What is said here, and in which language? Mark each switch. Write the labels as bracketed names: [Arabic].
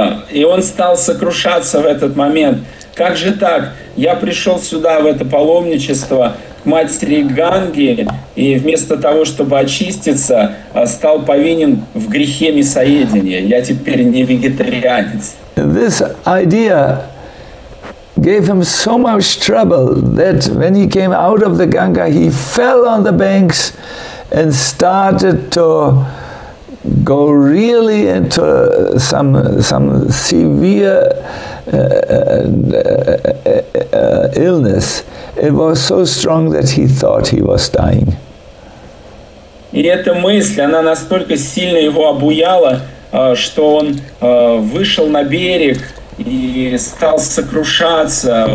[Russian] И он стал сокрушаться в этот момент. Как же так? Я пришел сюда, в это паломничество, к матери Ганги, и вместо того, чтобы очиститься, стал повинен в грехе мясоедения. Я теперь не вегетарианец. [English] This idea gave him so much trouble that when he came out of the Ganga, he fell on the banks and started to go really into some severe illness. It was so strong that he thought he was dying. [Russian] И эта мысль, она настолько сильно его обуяла, что он вышел на берег и стал сокрушаться.